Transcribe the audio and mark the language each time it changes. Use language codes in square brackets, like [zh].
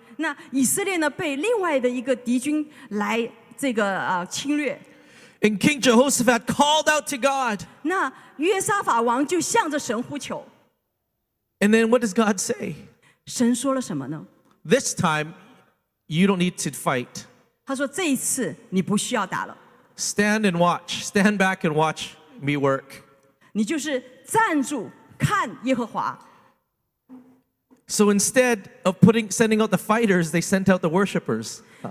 [zh] 那以色列呢被另外的一个敌军来这个侵略。 [en] And King Jehoshaphat called out to God. [zh] 那约沙法王就向着神呼求。 [en] And then what does God say? [zh] 神说了什么呢? [en] This time, you don't need to fight. [zh] 他说这一次你不需要打了。 [en] Stand and watch. Stand back and watch me work. [zh] 你就是站住看耶和华。 [en] So instead of sending out the fighters, they sent out the worshipers.